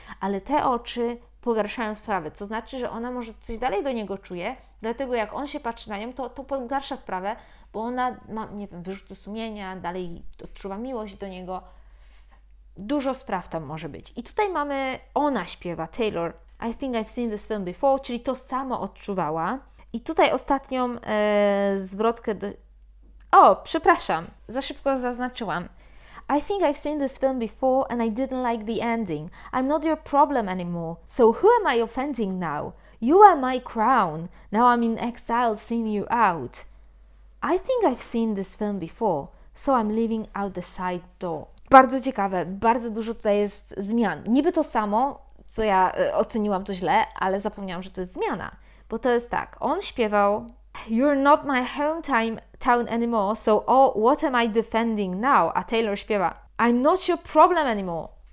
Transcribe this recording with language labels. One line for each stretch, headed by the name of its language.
Polish: Ale te oczy pogarszają sprawę, co znaczy, że ona może coś dalej do niego czuje, dlatego jak on się patrzy na nią, to pogarsza sprawę, bo ona ma, nie wiem, wyrzuty sumienia, dalej odczuwa miłość do niego. Dużo spraw tam może być. I tutaj mamy, ona śpiewa, Taylor,
English: I think I've seen this film before,
Polish: czyli to samo odczuwała. I tutaj ostatnią zwrotkę do... O, przepraszam, za szybko zaznaczyłam.
English: I think I've seen this film before and I didn't like the ending. I'm not your problem anymore. So who am I offending now? You are my crown. Now I'm in exile seeing you out. I think I've seen this film before, so I'm leaving out the side door.
Polish: Bardzo ciekawe, bardzo dużo tutaj jest zmian. Niby to samo, co ja oceniłam to źle, ale zapomniałam, że to jest zmiana. Bo to jest tak, on śpiewał
English: You're not my hometown anymore, so oh, what am I defending now?
Polish: A Taylor śpiewa
English: I'm not your problem anymore.